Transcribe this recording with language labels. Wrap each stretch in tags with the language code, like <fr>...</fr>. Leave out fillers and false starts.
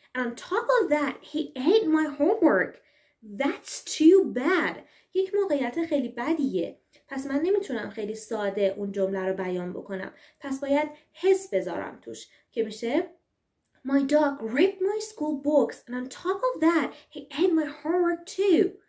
<en>And on top of that, he ate my homework. That's too bad.</en> <fa>یک موقعیت خیلی بدیه. پس من نمیتونم خیلی ساده اون جمله رو بیان بکنم. پس باید حس بذارم توش. که میشه</fa> <en>My dog ripped my school books and on top of that he ate my homework too.</en>